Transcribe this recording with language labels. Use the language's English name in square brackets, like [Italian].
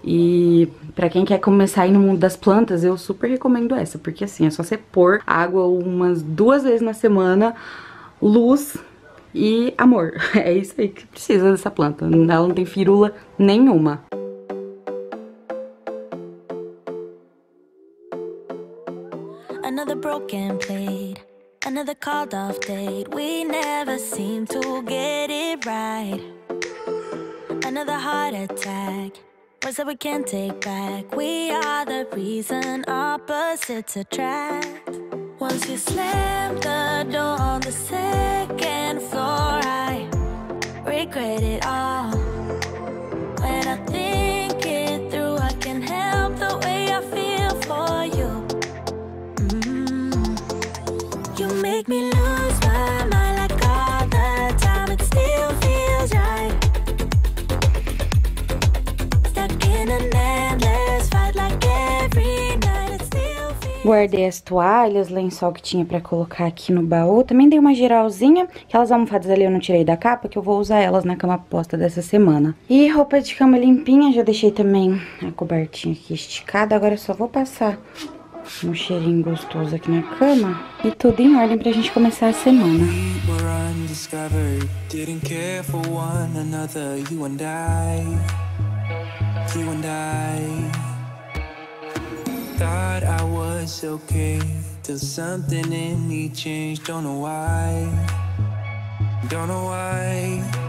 [Portuguese] E pra quem quer começar aí no mundo das plantas, eu super recomendo essa, porque assim, é só você pôr água umas duas vezes na semana, luz e amor. É isso aí que precisa dessa planta, ela não tem firula nenhuma. [English] Another broken plate, another called off date. We never seem to get it right. Another heart attack, words that we can't take back. We are the reason opposites attract. Once you slam the door on the second floor, I regret it all. When I think it through, I can help the way I feel for you. You make me lose my mind like all the time. It still feels right. Stuck in an endless fight like every night. It still feels. [Portuguese] Guardei as toalhas, lençol que tinha pra colocar aqui no baú. Também dei uma geralzinha. Aquelas almofadas ali eu não tirei da capa, que eu vou usar elas na cama posta dessa semana. E roupa de cama limpinha. Já deixei também a cobertinha aqui esticada. Agora eu só vou passar um cheirinho gostoso aqui na cama. E tudo em ordem pra gente começar a semana. [English] We were undiscovered, didn't care for one another. You and I, you and I. Thought I was okay, till something in me changed. Don't know why, don't know why.